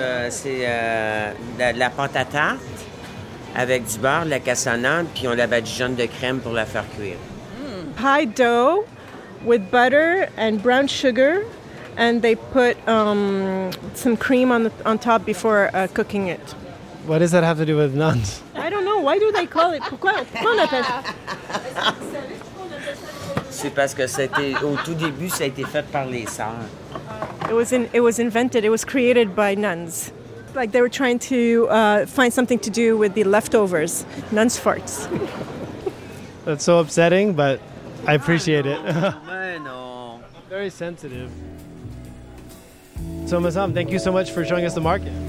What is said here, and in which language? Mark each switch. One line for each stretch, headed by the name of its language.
French: C'est la pâte à tarte avec du beurre, de la cassonade, puis on la badigeonne de crème pour la faire cuire.
English: Mm. Pie dough with butter and brown sugar. And they put some cream on top before cooking it. What does that have to do with nuns? I don't know. Why do they call it?
French: Pourquoi on appelle? C'est parce que c'était au tout début, ça a été fait par les sœurs.
English: It was invented. It was created by nuns. Like they were trying to find something to do with the leftovers, nuns' farts. That's so upsetting, but I appreciate it. Very sensitive. So, Mazam, thank you so much for showing us the market.